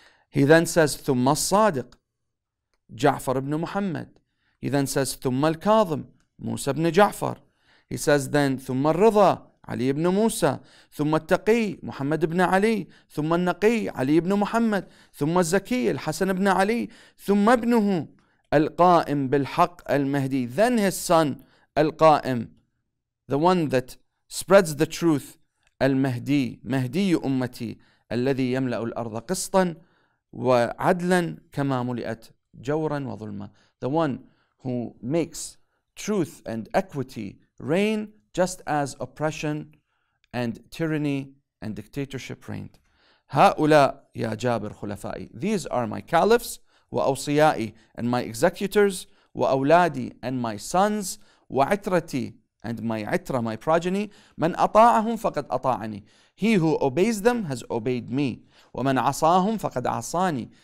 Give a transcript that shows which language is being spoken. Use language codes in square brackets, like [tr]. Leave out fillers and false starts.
[en] He then says, [ar] ثُمَّ الصَّادِقُ [en] Ja'far ibn Muhammad. He then says, [ar] ثُمَّ الْكَاظِمُ مُوسَى [en] ibn Ja'far. He says then, [ar] ثُمَّ الرِّضَى علي بن موسى ثم التقي محمد بن علي ثم النقي علي بن محمد ثم الزكي الحسن بن علي ثم ابنه القائم بالحق المهدي [en] then his son [ar] القائم [en] the one that spreads the truth [ar] المهدي مهدي أمتي الذي يملأ الأرض قسطا وعدلا كما ملئت جورا وظلما [en] the one who makes truth and equity reign just as oppression and tyranny and dictatorship reigned. [ar] هؤلاء يا جابر خلفائي. [en] These are my caliphs [ar] وأوصيائي [en] and my executors [ar] وأولادي [en] and my sons [ar] وعترتي [en] and my عترة my progeny. [ar] من أطاعهم فقد أطاعني. [en] He who obeys them has obeyed me. [ar] ومن عصاهم فقد عصاني.